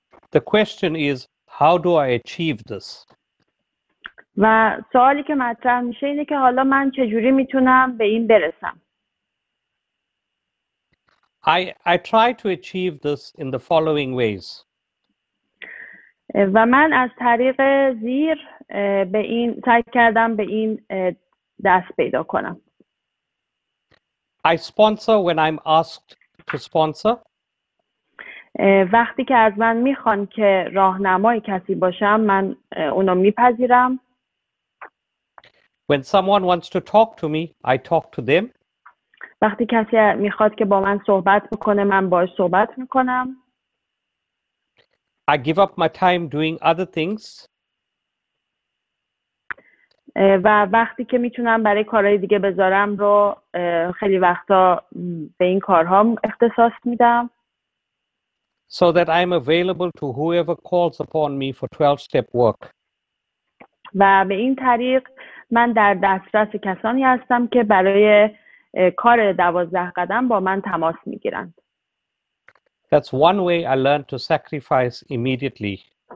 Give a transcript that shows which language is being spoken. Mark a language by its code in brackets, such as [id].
[en] The question is, how do I achieve this? [fa] و سوالی که مطرح میشه اینه که حالا من چجوری میتونم به این برسم؟ [en] I try to achieve this in the following ways. [fa] و من از طریق زیر به این سعی کردم به این دست پیدا کنم. [en] I sponsor when I'm asked to sponsor. [fa] وقتی که از من میخوان که راهنمای کسی باشم من اونو میپذیرم. [en] When someone wants to talk to me, I talk to them. [fa] وقتی کسی میخواد که با من صحبت بکنه من باهاش صحبت میکنم. [en] I give up my time doing other things. [fa] و وقتی که میتونم برای کارهای دیگه بذارم رو خیلی وقتا به این کارها اختصاص میدم. [en] So that I'm available to whoever calls upon me for 12 step work. [fa] و به این طریق من در دسترس کسانی هستم که برای کار 12 قدم با من تماس میگیرند. [en] That's one way I learned to sacrifice immediately.